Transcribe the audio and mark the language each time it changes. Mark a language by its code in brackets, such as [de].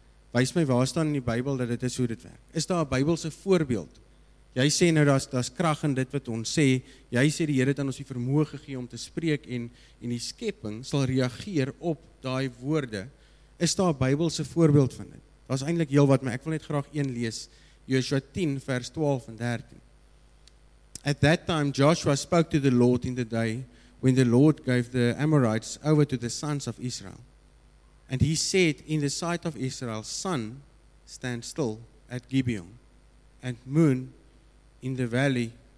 [af] Wys my waar staan in die Bybel, dat dit is hoe dit werk. Is daar 'n Bybelse voorbeeld? Jy sê nou, daar's krag in dit wat ons sê, jy sê die Here het aan ons die vermoë gegee om te spreek, en die skepping sal reageer op daai woorde. Is daar 'n Bybelse voorbeeld van dit? Daar's eintlik heel wat, maar ek wil net graag een lees, Joshua 10, vers 12 and 13. [en] At that time, Joshua spoke to the Lord in the day when the Lord gave the Amorites over to the sons of Israel. And he said in the sight of Israel, Sun, stand still at Gibeon, and moon in the valley.